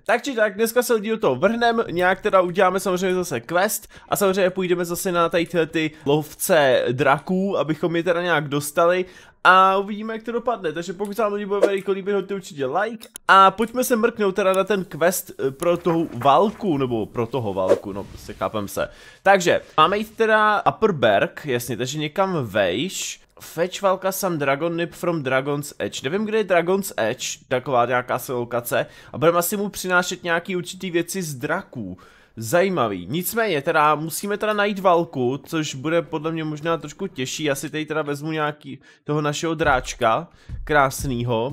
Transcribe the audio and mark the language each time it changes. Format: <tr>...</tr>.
<cs>Tak či tak, dneska se lidi do toho vrhneme, nějak teda uděláme samozřejmě zase quest a samozřejmě půjdeme zase na tady tyhle ty lovce draků, abychom je teda nějak dostali a uvidíme, jak to dopadne. Takže pokud se vám lidi bude veliko líbit, hoďte určitě like a pojďme se mrknout teda na ten quest pro tu válku, nebo pro toho válku, no prostě chápem se. Takže, máme jít teda Upperberg, jasně, takže někam vejš.</cs> <en>Fetch Valka some dragon nip from Dragon's Edge.</en> <cs>Nevím, kde je Dragon's Edge, taková nějaká se lokace. A budeme asi mu přinášet nějaký určitý věci z draků. Zajímavý. Nicméně, teda musíme teda najít Valku, což bude podle mě možná trošku těžší. Já si tady teda vezmu nějaký toho našeho dráčka krásnýho.</cs>